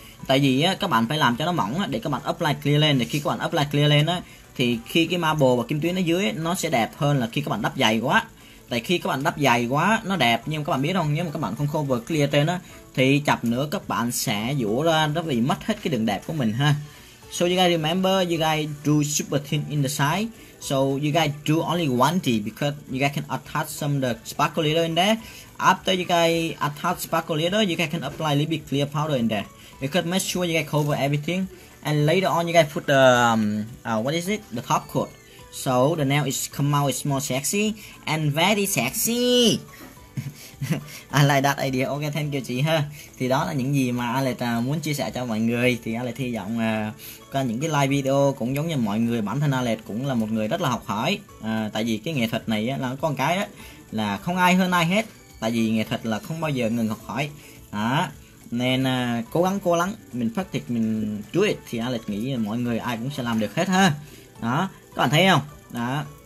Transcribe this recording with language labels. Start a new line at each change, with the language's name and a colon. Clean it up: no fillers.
Vietnamese: Tại vì các bạn phải làm cho nó mỏng để các bạn apply clear lên. Để khi các bạn apply clear lên thì khi cái marble và kim tuyến ở dưới nó sẽ đẹp hơn là khi các bạn đắp dày quá. Tại khi các bạn đắp dày quá nó đẹp, nhưng các bạn biết không, nếu mà các bạn không cover clear trên thì chập nữa các bạn sẽ dũa ra, nó bị mất hết cái đường đẹp của mình ha.
English: So you guys remember, you guys do super thin in the side. So you guys do only 1D because you guys can attach some the sparkle leader in there. After you guys attach sparkle leader, you guys can apply a little bit clear powder in there. You could make sure you guys cover everything. And later on you guys put the what is it? The top coat. So the nail is come out is more sexy and very sexy.
Vietnamese: Alex đặt idea, ok thank you chị ha. Thì đó là những gì mà Alex muốn chia sẻ cho mọi người. Thì Alex hy vọng qua những cái live video cũng giống như mọi người, bản thân Alex cũng là một người rất là học hỏi. Tại vì cái nghệ thuật này á, là con cái á, là không ai hơn ai hết. Tại vì nghệ thuật là không bao giờ ngừng học hỏi đó. Nên cố lắng mình phát triển, mình chú ý, thì Alex nghĩ là mọi người ai cũng sẽ làm được hết ha. Đó, các bạn thấy không? Đó.